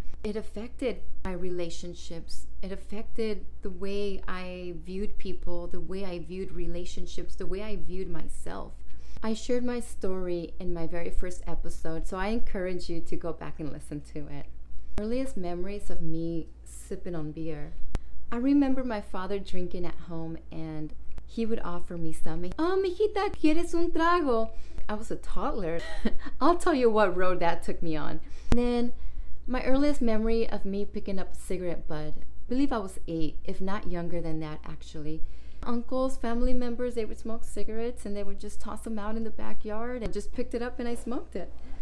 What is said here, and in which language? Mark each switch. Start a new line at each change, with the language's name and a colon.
English: It affected my relationships. It affected the way I viewed people, the way I viewed relationships, the way I viewed myself. I shared my story in my very first episode, so I encourage you to go back and listen to it. Earliest memories of me sipping on beer. I remember my father drinking at home, and he would offer me some.
Spanish: Oh, mijita, ¿quieres un trago?
English: I was a toddler. I'll tell you what road that took me on. And then my earliest memory of me picking up a cigarette butt, I believe I was 8, if not younger than that, actually. Uncles, family members, they would smoke cigarettes and they would just toss them out in the backyard and just picked it up and I smoked it.